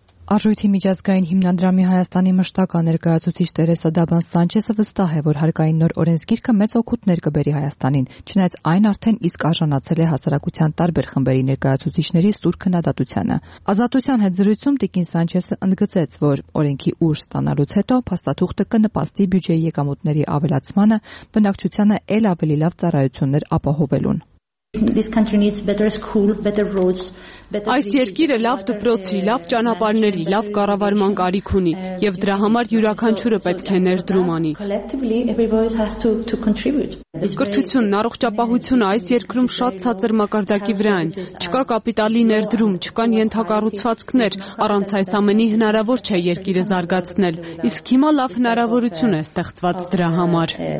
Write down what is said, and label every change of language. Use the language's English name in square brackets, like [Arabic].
[Armenian] Արժույթի միջազգային հիմնադրամի Հայաստանի մշտական ներկայացուցիչ Տերեսա Դաբան Սանչեսը վստահ է, որ հարկային նոր օրենսգիրքը մեծ օգուտներ կբերի Հայաստանին, չնայած այն արդեն իսկ արժանացել է հասարակության տարբեր խմբերի ներկայացուցիչների սուր քննադատությանը։ Ազատության հետ զրույցում Տիկին Սանչեսը ընդգծեց, որ օրենքի ուժ ստանալուց հետո փաստաթուղթը կնպաստի բյուջեի եկամուտների ավելացմանը, բնակչությանը էլ ավելի լավ ծառայություններ ապահովելուն։ [English] This country needs better schools, better roads, [Armenian] Այս երկիրը լավ դպրոցի, լավ ճանապարհների, լավ կառավարման կարիք ունի, եւ դրա համար յուրաքանչյուրը պետք է ներդրում անի։ Կրթությունն, առողջապահությունը այս երկրում շատ ցածր մակարդակի վրա են։ Չկա կապիտալի ներդրում, չկան ենթակառուցվածքներ, առանց այս ամենի հնարավոր չէ երկիրը զարգացնել, իսկ հիմա լավ հնարավորություն է ստեղծված դրա համար։